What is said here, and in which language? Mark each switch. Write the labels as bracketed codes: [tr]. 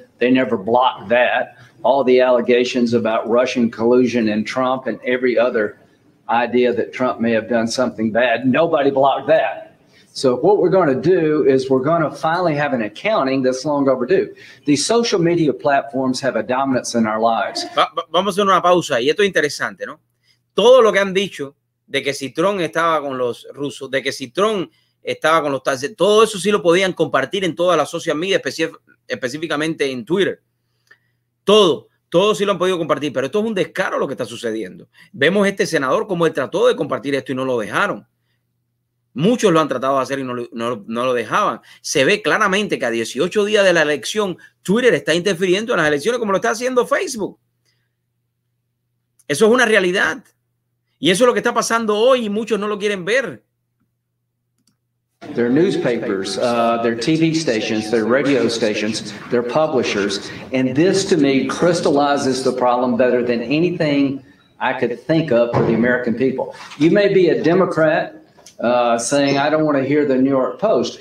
[en] They never blocked that. All the allegations about Russian collusion and Trump and every other idea that Trump may have done something bad, nobody blocked that. So what we're going to do is we're going to finally have an accounting that's long overdue. These social media platforms have a dominance in our lives. [es] Vamos a hacer una pausa y esto es interesante, ¿no? Todo lo que han dicho de que si Trump estaba con los rusos, de que si Trump estaba con los tales, todo eso sí lo podían compartir en todas las social media, específicamente en Twitter. Todo sí lo han podido compartir, pero esto es un descaro lo que está sucediendo. Vemos este senador como él trató de compartir esto y no lo dejaron. Muchos lo han tratado de hacer y no lo dejaban. Se ve claramente que a 18 días de la elección, Twitter está interfiriendo en las elecciones como lo está haciendo Facebook. Eso es una realidad. Y eso es lo que está pasando hoy y muchos no lo quieren ver. [en] Their newspapers, their TV stations, their radio stations, their publishers. And this, to me, crystallizes the problem better than anything I could think of for the American people. You may be a Democrat saying, I don't want to hear the New York Post.